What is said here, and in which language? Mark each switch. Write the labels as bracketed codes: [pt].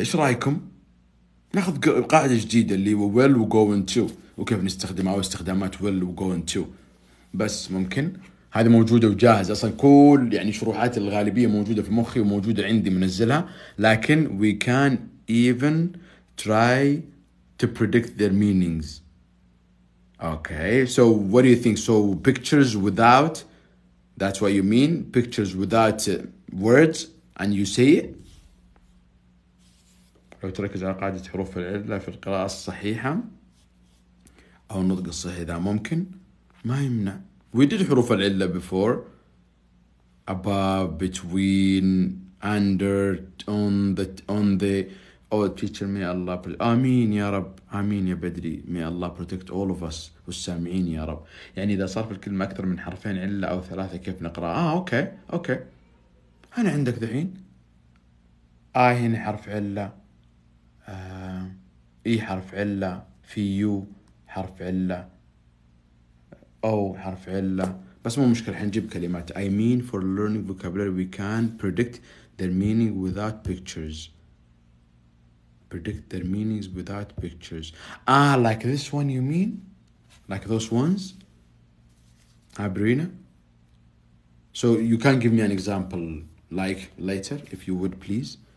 [ar] إيش رأيكم نأخذ قاعدة جديدة اللي هو will و going to وكيف نستخدمها واستخدامات will و going to. بس ممكن هذه موجودة وجاهز أصلا كل يعني شروحات الغالبية موجودة في مخي وموجودة عندي منزلها لكن [en] we can even try to predict their meanings. Okay so what do you think? So pictures without, that's what you mean, pictures without words and you say it. [ar] لو تركز على قاعدة حروف العلة في القراءة الصحيحة أو النطق الصحيح إذا ممكن ما يمنع. [en] We did حروف العلة before. Above, between, under, on the, on the. Oh, teacher, may Allah protect. Amin, ya Rab. Amin, ya Badri. May Allah protect all of us. والسامعين, ya Rab. [ar] يعني إذا صار في الكلمة أكثر من حرفين علة أو ثلاثة كيف نقرأ؟ آه, okay, okay. أنا عندك دحين. آه, هنا حرف علة. إي حرف علة. في يو حرف علة. أو حرف علة بس مو مشكلة حنجيب كلمات. [en] I mean for learning vocabulary we can predict their meaning without pictures. Predict their meanings without pictures. Ah like this one you mean? Like those ones? Abrina? So you can give me an example like later if you would please.